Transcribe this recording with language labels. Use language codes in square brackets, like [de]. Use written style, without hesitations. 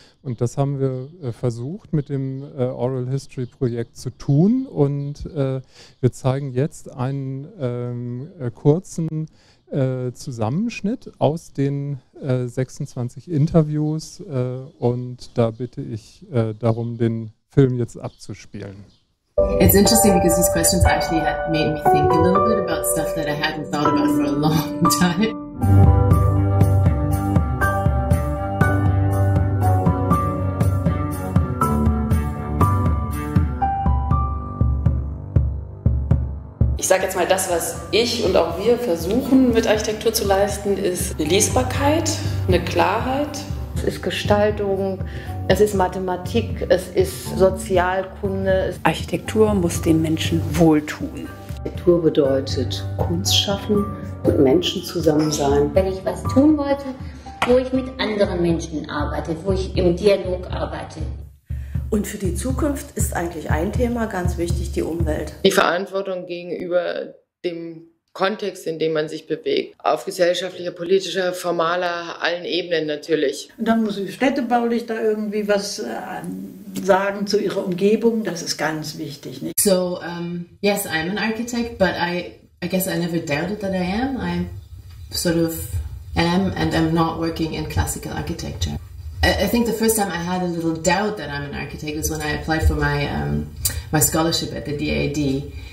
[de] Und das haben wir versucht mit dem Oral History Projekt zu tun. Und wir zeigen jetzt einen kurzen Zusammenschnitt aus den 26 Interviews. Und da bitte ich darum, den Film jetzt abzuspielen. [en] It's interesting because these questions actually made me think a little bit about stuff that I hadn't thought about for a long time. [de] Ich sage jetzt mal, das, was ich und auch wir versuchen mit Architektur zu leisten, ist eine Lesbarkeit, eine Klarheit, Es ist Gestaltung, es ist Mathematik, es ist Sozialkunde. Architektur muss den Menschen wohltun. Architektur bedeutet Kunst schaffen und Menschen zusammen sein. Wenn ich was tun wollte, wo ich mit anderen Menschen arbeite, wo ich im Dialog arbeite. Und für die Zukunft ist eigentlich ein Thema ganz wichtig, die Umwelt. Die Verantwortung gegenüber dem Kontext, in dem man sich bewegt. Auf gesellschaftlicher, politischer, formaler, allen Ebenen natürlich. Und dann muss ich städtebaulich da irgendwie was sagen zu ihrer Umgebung. Das ist ganz wichtig. Nicht? [en] So, yes, I'm an architect, but I guess I never doubted that I am. I sort of am and am not working in classical architecture. I think the first time I had a little doubt that I'm an architect was when I applied for my my scholarship at the DAAD.